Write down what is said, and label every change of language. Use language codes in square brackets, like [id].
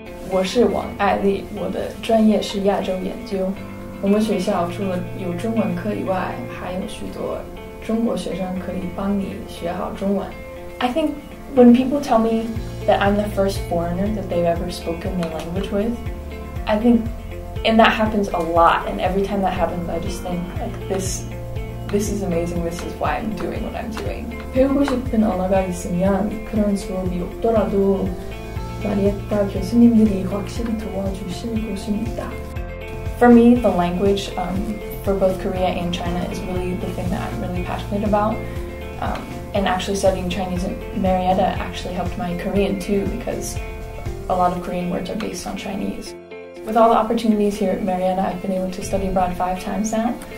[zh] 我是王爱丽，我的专业是亚洲研究。我们学校除了有中文课以外，还有许多中国学生可以帮你学好中文。 [en] I think when people tell me that I'm the first foreigner that they've ever spoken their language with, I think, and that happens a lot, and every time that happens, I just think, like, this is amazing, this is why I'm doing what I'm doing. [ko] 배우고 싶은 언어가 있으면 그런 수업이 없더라도 마리에타 교수님들이 확실히 도와주실 곳입니다. [en] For me, the language for both Korea and China is really the thing that I'm really passionate about. And actually studying Chinese in Marietta actually helped my Korean too, because a lot of Korean words are based on Chinese. With all the opportunities here at Marietta, I've been able to study abroad 5 times now.